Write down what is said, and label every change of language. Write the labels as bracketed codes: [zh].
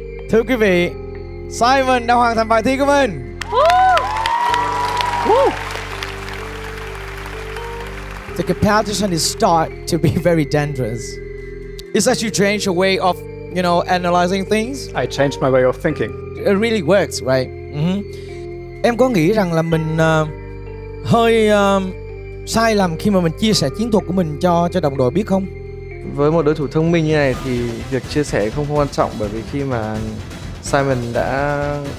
[vi] Thưa quý vị, Simon đã hoàn thành bài thi của mình. [en] The competition is start to be very dangerous. It's that you change your way of, you know, analyzing things. I changed my way of thinking. It really works, right? Mm-hmm. [vi] Em có nghĩ rằng là mình hơi sai lầm khi mà mình chia sẻ chiến thuật của mình cho đồng đội biết không? Với một đối thủ thông minh như này thì việc chia sẻ không quan trọng, bởi vì khi mà Simon đã